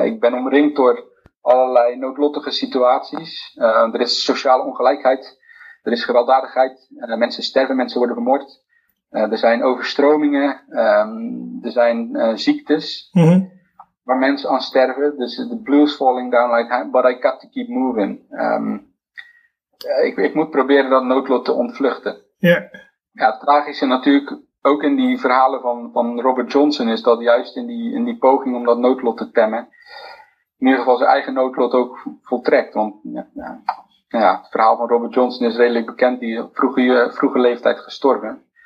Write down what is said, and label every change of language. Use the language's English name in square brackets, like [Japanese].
[Dutch] Ik ben omringd door allerlei noodlottige situaties. Er is sociale ongelijkheid. Er is gewelddadigheid. Mensen sterven, mensen worden vermoord. Er zijn overstromingen, er zijn ziektes, mm-hmm, waar mensen aan sterven. Dus [English] the blues falling down like, but I got to keep moving. [Dutch] Ik moet proberen dat noodlot te ontvluchten. Yeah. Ja, het tragische natuurlijk ook in die verhalen van Robert Johnson is dat juist in die poging om dat noodlot te temmen, in ieder geval zijn eigen noodlot ook voltrekt. Want ja, het verhaal van Robert Johnson is redelijk bekend, die vroege leeftijd gestorven.